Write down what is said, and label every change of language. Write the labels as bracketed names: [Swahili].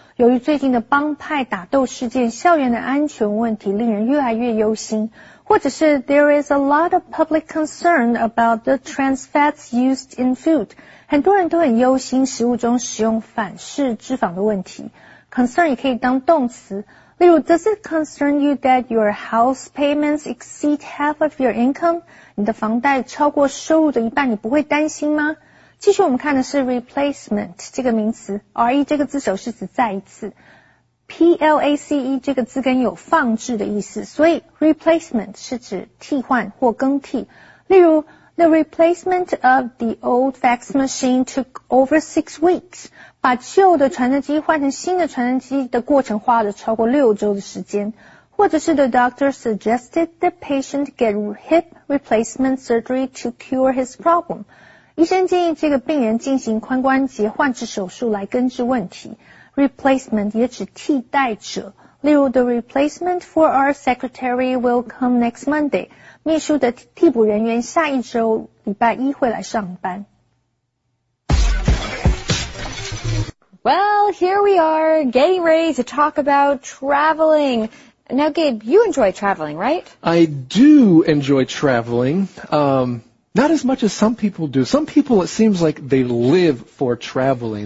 [Chinese] 由于最近的帮派打斗事件，校园的安全问题令人越来越忧心。或者是 [English] there is a lot of public concern about the trans fats used in food. [Chinese] 很多人都很忧心食物中使用反式脂肪的问题。 [English] Concern [Chinese] 也可以当动词，例如 [English] Does it concern you that your house payments exceed half of your income? [Chinese] 你的房贷超过收入的一半，你不会担心吗？继续我们看的是 replacement 这个名词 ，re 这个字首是指再一次 ，place 这个字根有放置的意思，所以 replacement 是指替换或更替。例如 [English] ，The replacement of the old fax machine took over 6 weeks. [Chinese] 把旧的传真机换成新的传真机的过程花了超过6周的时间。或者是 [English] the doctor suggested the patient get hip replacement surgery to cure his problem. [Chinese] 医生建议这个病人进行髋关节换置手术来根治问题。 replacement 也指替代者。例如 [English] the replacement for our secretary will come next Monday. [Chinese] 秘书的替补人员下一周礼拜一会来上班。 [English] Well, here we are, getting ready to talk about traveling. Now, Gabe, you enjoy traveling, right? I do enjoy traveling. Not as much as some people do. Some people, it seems like they live for traveling.